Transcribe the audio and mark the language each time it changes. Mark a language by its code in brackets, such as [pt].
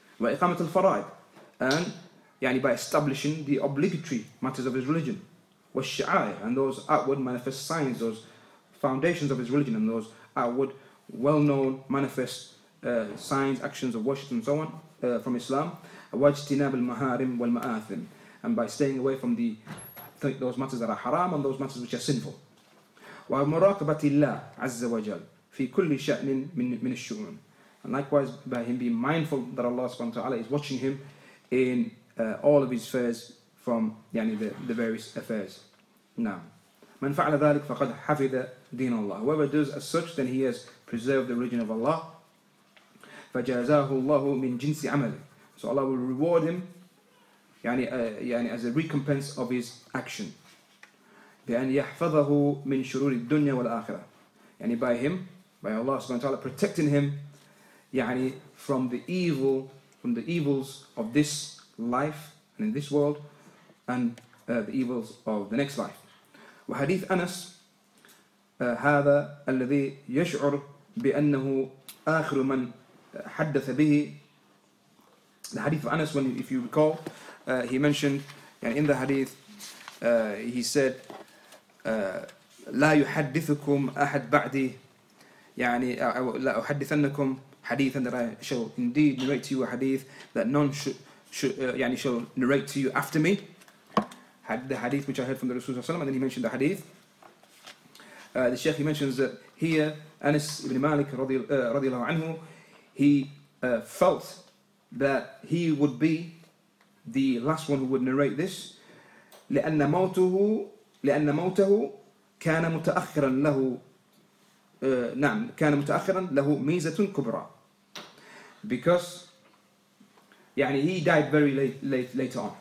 [ar] وإقامة الفرائض, [en] and يعني by establishing the obligatory matters of his religion, والشعائر, and those outward manifest signs, those foundations of his religion, and those outward well-known manifest signs, actions of worship, and so on from Islam, [ar] واجتناب المحارم والمآثم, [en] and by staying away from the those matters that are haram and those matters which are sinful, [ar] ومراقبة الله عز وجل في كل شأن من الشؤون. [en] And likewise, by him being mindful that Allah subhanahu wa ta'ala is watching him in all of his affairs from yani, the various affairs. [ar] Now, من فعل ذلك فقد حفظ دين الله. [en] Whoever does as such, then he has preserved the religion of Allah. [ar] فجازاه الله من جنس عمله. [en] So Allah will reward him yani, as a recompense of his action. [ar] بأن يحفظه من شرور الدنيا والآخرة. [en] Yani by him, by Allah subhanahu wa ta'ala protecting him yani from the evil, from the evils of this life and in this world, and the evils of the next life. [ar] وحديث أنس هذا الذي يشعر بأنه آخر من حدث به الحديث أنس. [en] When if you recall, he mentioned يعني in the hadith he said [ar] لا يحدثكم أحد بعدي يعني لا أحدثنكم حديثا [en] that I shall indeed narrate to you a hadith that none should shall narrate to you after me. Had the hadith which I heard from the Rasulullah, and then he mentioned the hadith. The Sheikh, he mentions that here Anas ibn Malik radiallahu anhu, he felt that he would be the last one who would narrate this. [ar] لأن موته كان متأخرا له نعم كان متأخرا له ميزة كبرى. [en] Because يعني he died very late on.